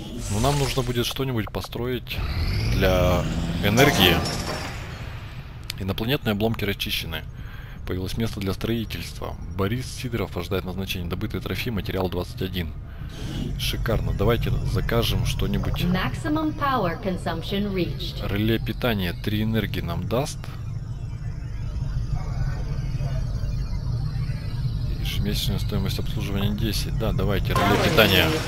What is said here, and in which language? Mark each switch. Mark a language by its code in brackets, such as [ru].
[ru] Но нам нужно будет что-нибудь построить для энергии. Инопланетные обломки расчищены. Появилось место для строительства. Борис Сидоров ожидает назначения. Добытый трофей, материал 21. Шикарно. Давайте закажем что-нибудь. [en] Maximum power consumption reached. [ru] Реле питания 3 энергии нам даст. Месячная стоимость обслуживания 10. Да, давайте, реле питания.